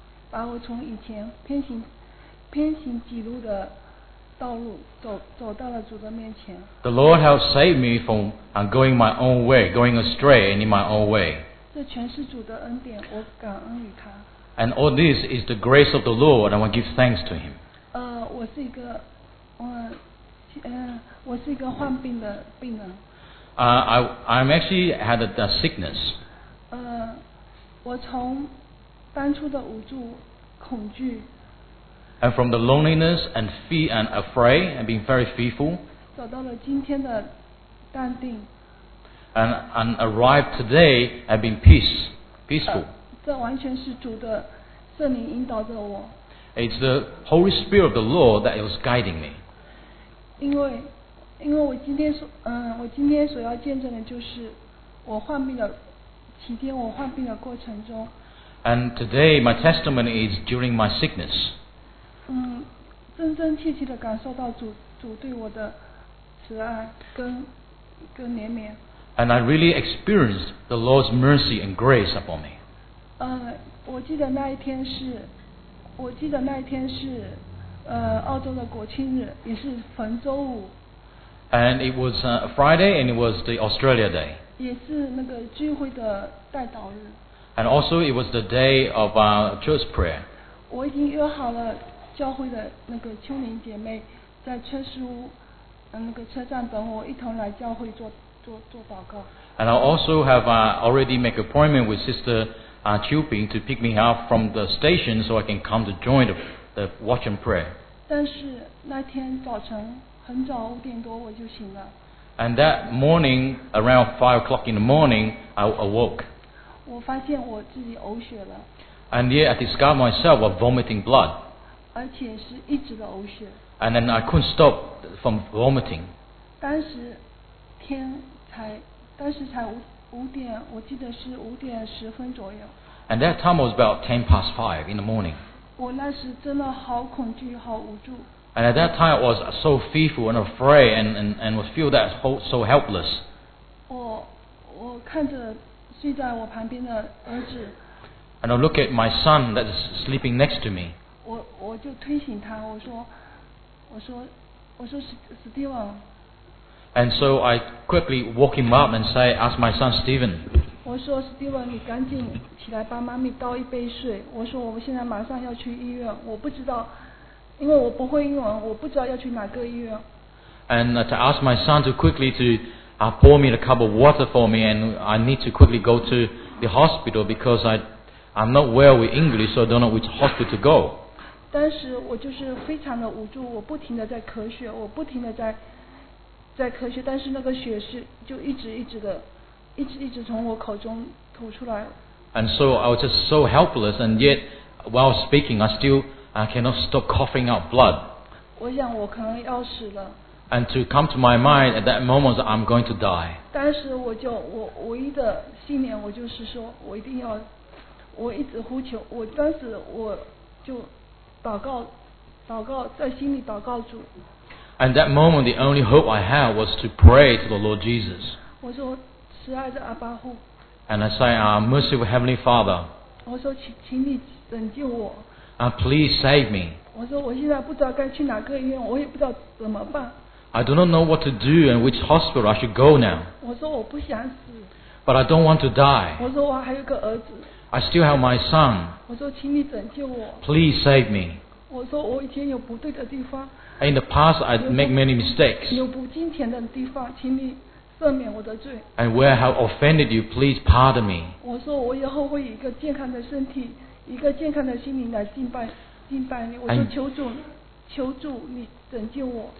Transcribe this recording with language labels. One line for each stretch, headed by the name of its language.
Chinese: 把我从以前偏行几路的道路 走到了主的面前。
English: The Lord has saved me from going my own way, going astray and in my own way.
Chinese: 这全是主的恩典，我感恩于他。
English: And all this is the grace of the Lord, and I want to give thanks to Him.
Chinese: 我是一个患病的病人。
English: I'm actually had a sickness.
Chinese: 我从当初的无助、恐惧。
English: And from the loneliness and fear and afraid and being very fearful,
Chinese: 走到了今天的淡定
English: and arrived today and being peaceful.
Chinese: 这完全是主的圣灵引导着我。
English: It's the Holy Spirit of the Lord that is guiding me.
Chinese: 因为我今天所要见证的就是我患病的期间，我患病的过程中。
English: And today my testimony is during my sickness.
Chinese: 真真切切地感受到主对我的慈爱跟怜悯。
English: And I really experienced the Lord's mercy and grace upon me.
Chinese: 我记得那一天是澳洲的国庆日，也是逢周五。
English: And it was Friday, and it was the Australia Day.
Chinese: 也是那个聚会的代祷日。
English: And also, it was the day of our church prayer.
Chinese: 我已经约好了教会的那个秋林姐妹，在车书那个车站等我，一同来教会做祷告。
English: And I also have already make appointment with Sister Qiu Bing to pick me up from the station so I can come to join the watch and pray.
Chinese: 但是那天早晨很早五点多我就醒了。
English: And that morning, around 5 o'clock in the morning, I awoke.
Chinese: 我发现我自己呕血了。
English: And yet I discovered myself was vomiting blood.
Chinese: 而且是一直的呕血。
English: And then I couldn't stop from vomiting.
Chinese: 当时才五点，我记得是五点十分左右。
English: And that time was about 5:10 in the morning.
Chinese: 我那时真的好恐惧，好无助。
English: And at that time, I was so fearful and afraid, and was feel that so helpless.
Chinese: 我看着睡在我旁边的儿子。
English: And I look at my son that is sleeping next to me.
Chinese: 我就推醒他，我说 Steven。
English: And so I quickly woke him up and say, ask my son Steven.
Chinese: 我说 Steven, 你赶紧起来帮妈咪倒一杯水。我说我现在马上要去医院，我不知道。因为我不会英文，我不知道要去哪个医院。
English: And to ask my son to quickly to pour me a cup of water for me, and I need to quickly go to the hospital because I'm not well with English, so I don't know which hospital to go.
Chinese: 当时我就是非常的无助，我不停的在咳血，我不停的在咳血，但是那个血是就一直一直的，一直一直从我口中吐出来。
English: And so I was just so helpless, and yet while speaking, I cannot stop coughing out blood.
Chinese: 我想我可能要死了。
English: And to come to my mind at that moment, I'm going to die.
Chinese: 当时我就我唯一的信念，我就是说我一定要，我一直呼求。我当时我就祷告，在心里祷告主。
English: And that moment, the only hope I had was to pray to the Lord Jesus.
Chinese: 我说慈爱的阿爸父。
English: And I say, merciful Heavenly Father.
Chinese: 我说请你拯救我。
English: Please save me.
Chinese: 我说我现在不知道该去哪个医院，我也不知道怎么办。
English: I do not know what to do and which hospital I should go now.
Chinese: 我说我不想死。
English: But I don't want to die.
Chinese: 我说我还有个儿子。
English: I still have my son.
Chinese: 我说请你拯救我。
English: Please save me.
Chinese: 我说我以前有不对的地方。
English: In the past, I make many mistakes.
Chinese: 有不敬虔的地方，请你赦免我的罪。
English: And where I have offended you, please pardon me.
Chinese: 我说我以后会有一个健康的身体。一个健康的心灵来敬拜你，我说求主你拯救我。